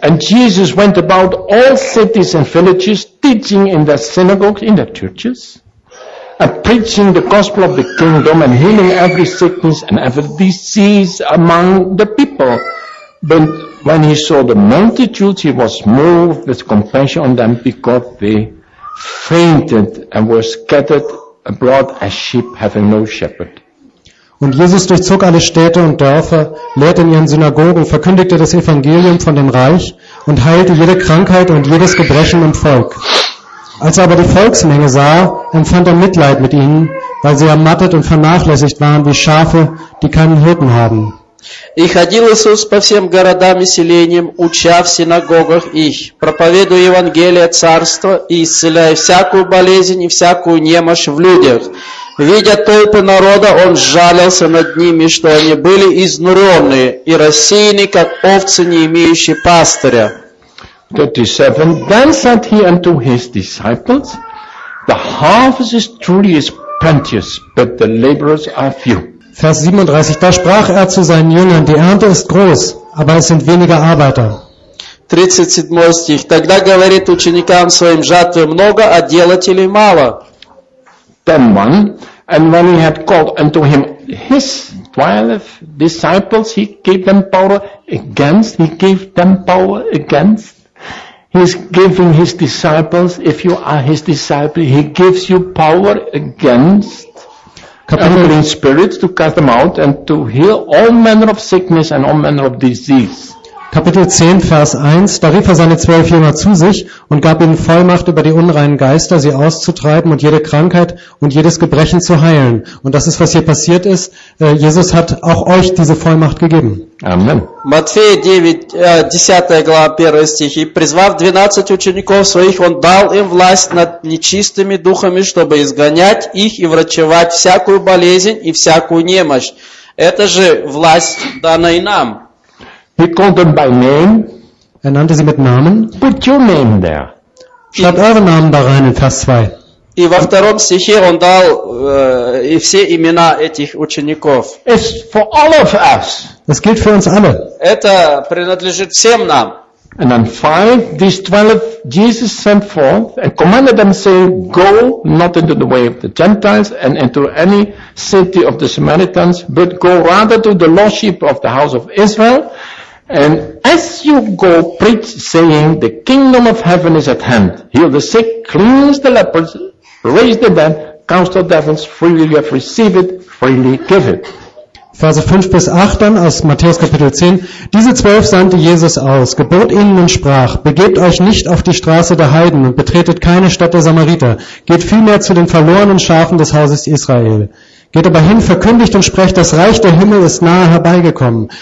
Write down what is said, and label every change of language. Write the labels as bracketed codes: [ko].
[en] And Jesus went about all cities and villages, teaching in their synagogues, in their churches, and preaching the gospel of the kingdom, and healing every sickness and every disease among the people. But when he saw the multitudes, he was moved with compassion on them, because they fainted and were scattered abroad as sheep having no shepherd. [de] Und Jesus durchzog alle Städte und Dörfer, lehrte in ihren Synagogen, verkündigte das Evangelium von dem Reich und heilte jede Krankheit und jedes Gebrechen im Volk. Als er aber die Volksmenge sah, empfand er Mitleid mit ihnen, weil sie ermattet und vernachlässigt waren wie Schafe, die keinen Hirten haben. [ru] И ходил Иисус по всем городам и селениям, уча в синагогах их, проповедуя Евангелие Царства и исцеляя всякую болезнь и всякую немощь в людях. Видя толпы народа, он сжалился над ними, что они были изнуренные и рассеяны, как овцы, не имеющие пастыря. 37. [en] Then said he unto his disciples, the harvest is truly plenteous, but the laborers are few. [de] Vers 37, da sprach er zu seinen Jüngern: Die Ernte ist groß, aber es sind weniger Arbeiter. 37. [ru] Stich, тогда говорит ученикам своим: Жатвы много, а делателей мало. [en] 10:1, and when he had called unto him his 12 disciples, he's giving his disciples, if you are his disciple, he gives you power against unclean spirits to cast them out and to heal all manner of sickness and all manner of disease. [de] Kapitel 10, Vers 1, da rief er seine 12 Jünger zu sich und gab ihnen Vollmacht über die unreinen Geister, sie auszutreiben und jede Krankheit und jedes Gebrechen zu heilen. Und das ist, was hier passiert ist. Jesus hat auch euch diese Vollmacht gegeben. Amen. [ru] Matthäus 10, глава 1 стих. И призвав 12 учеников своих, он дал им власть над нечистыми духами, чтобы изгонять их и врачевать всякую болезнь и всякую немощь. Это же власть дана и нам. [en] He called them by name. [de] Er nannte sie mit Namen. [en] Put your name there. [de] Schreibt euren Namen da rein in Vers 2. [ru] И во втором стихе он дал все имена этих учеников. [en] It's for all of us. [de] Es gilt für uns alle. [ru] Это принадлежит всем нам. [en] And then 5, these 12 Jesus sent forth and commanded them, saying, go not into the way of the Gentiles and into any city of the Samaritans, but go rather to the lost sheep of the house of Israel. And as you go, preach, saying, the kingdom of heaven is at hand. Heal the sick, cleanse the lepers, raise the dead, cast out devils, freely you have received it, freely give it. [de] Verse 5 bis 8 dann aus Matthäus Kapitel 10. Diese 12 sandte Jesus aus, gebot ihnen und sprach, begebt euch nicht auf die Straße der Heiden und betretet keine Stadt der Samariter. Geht vielmehr zu den verlorenen Schafen des Hauses Israel. Geht aber hin, verkündigt und sprecht, das Reich der Himmel ist nahe herbeigekommen.